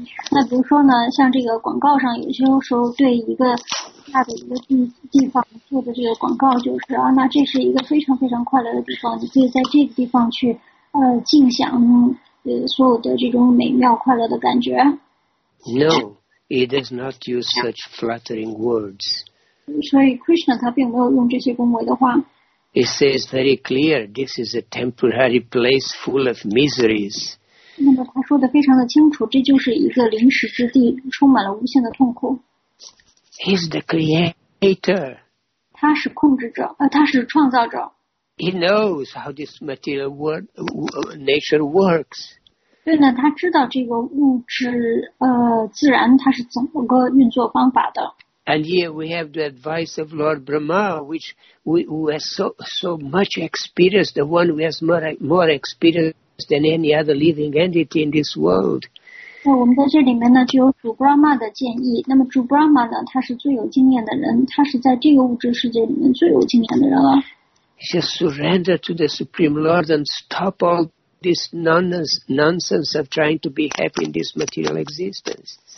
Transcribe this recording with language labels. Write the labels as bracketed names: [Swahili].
[Chinese] 那比如说呢，像这个广告上，有些时候对一个大的一个地方做的这个广告，就是啊，那这是一个非常非常快乐的地方，你可以在这个地方去尽享所有的这种美妙快乐的感觉。 [English] No, he does not use such flattering words. [Chinese] 所以 Krishna 他并没有用这些恭维的话。 [English] He says very clear, this is a temporary place full of miseries. [Chinese] 那么他说的非常的清楚，这就是一个临时之地，充满了无限的痛苦。 [English] He's the creator. [Chinese] 他是控制者，他是创造者。 [English] He knows how this material world, nature works. [Chinese] 对呢，他知道这个物质，自然它是怎么个运作方法的。 [English] And here we have the advice of Lord Brahma, which who has so much experience, the one who has more experience than any other living entity in this world. [Chinese] 那我们在这里面呢，就有主 Brahma 的建议。那么主 Brahma 呢，他是最有经验的人，他是在这个物质世界里面最有经验的人了。 [English] Just surrender to the Supreme Lord and stop all this nonsense of trying to be happy in this material existence.